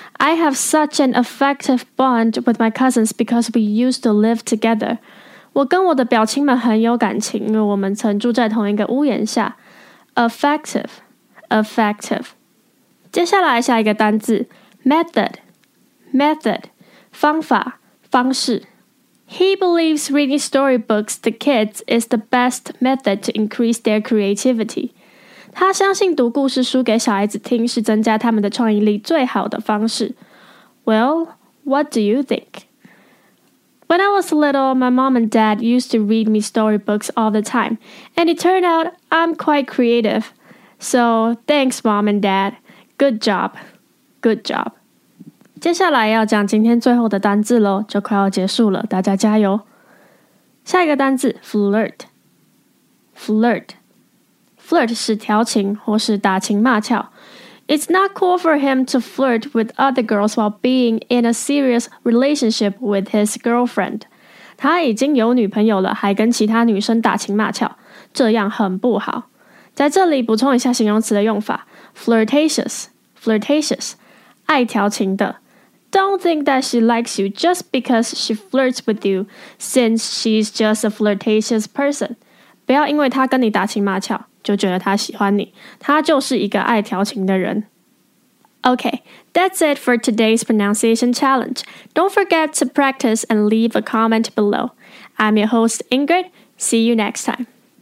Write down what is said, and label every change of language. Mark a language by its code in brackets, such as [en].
[en] I have such an effective bond with my cousins because we used to live together. [zh] 我跟我的表亲们很有感情，因为我们曾住在同一个屋檐下。 effective, effective. 接下来下一个单字， method, method, 方法，方式。 [en] He believes reading storybooks to kids is the best method to increase their creativity. [zh] 他相信读故事书给小孩子听是增加他们的创意力最好的方式。 [en] Well, what do you think? When I was little, my mom and dad used to read me storybooks all the time, and it turned out I'm quite creative. So, thanks, mom and dad. Good job. Good job. [zh] 接下来要讲今天最后的单字咯，就快要结束了，大家加油。下一个单字 flirt， flirt， flirt 是调情或是打情骂俏。 [en] It's not cool for him to flirt with other girls while being in a serious relationship with his girlfriend. [zh] 他已经有女朋友了，还跟其他女生打情骂俏，这样很不好。在这里补充一下形容词的用法， flirtatious， flirtatious， 爱调情的。 [en] Don't think that she likes you just because she flirts with you, since she's just a flirtatious person. [zh] 不要因为她跟你打情骂俏，就觉得她喜欢你。她就是一个爱调情的人。 [en] Okay, that's it for today's pronunciation challenge. Don't forget to practice and leave a comment below. I'm your host, Ingrid. See you next time.